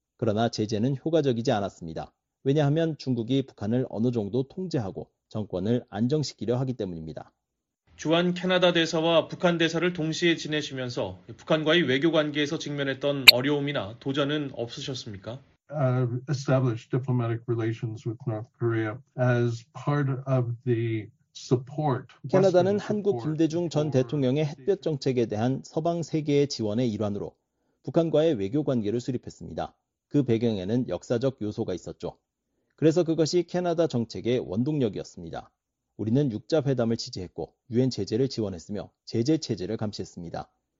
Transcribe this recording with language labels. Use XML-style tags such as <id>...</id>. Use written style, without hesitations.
<ko>그러나 제재는 효과적이지 않았습니다. 왜냐하면 중국이 북한을 어느 정도 통제하고 정권을 안정시키려 하기 때문입니다. 주한 캐나다 대사와 북한 대사를 동시에 지내시면서 북한과의 외교 관계에서 직면했던 어려움이나 도전은 없으셨습니까?</ko> <en>Established diplomatic relations with North Korea as part of the support.</en> <ko>캐나다는 한국 김대중 전 대통령의 햇볕 정책에 대한 서방 세계의 지원의 일환으로 북한과의 외교 관계를 수립했습니다. 그 배경에는 역사적 요소가 있었죠. 그래서 그것이 캐나다 정책의 원동력이었습니다. 우리는 6자회담을 지지했고 유엔 제재를 지원했으며 제재 체제를 감시했습니다.</ko>